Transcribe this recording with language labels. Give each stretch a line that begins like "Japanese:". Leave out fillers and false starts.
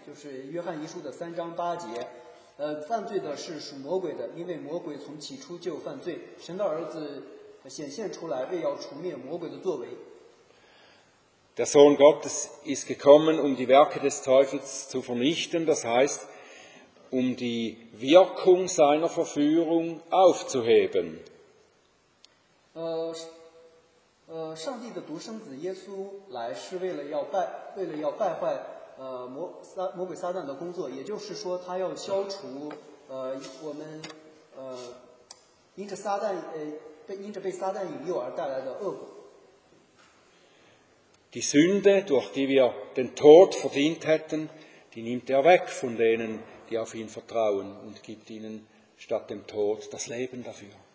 Chinese: 从我们读过的那个约翰一书的那段经文往上一点，往回看一点，就是约翰一书的三章八节。犯罪的是属魔鬼的，因为魔鬼从起初就犯罪。神的儿子显现出来，为要除灭魔鬼的作为。
German: Der Sohn Gottes ist gekommen, um die Werke des Teufels zu vernichten, das heißt, um die Wirkung seiner Verführung aufzuheben.
Chinese: 上帝的独生子耶稣来是为了要败坏魔鬼撒旦的工作，也就是说，他要消除。我们因着撒旦被撒旦引诱而带来的恶果。
German: Die Sünde, durch die wir den Tod verdient hätten, die nimmt er weg von denen, die auf ihn vertrauen und gibt ihnen statt dem Tod das Leben dafür.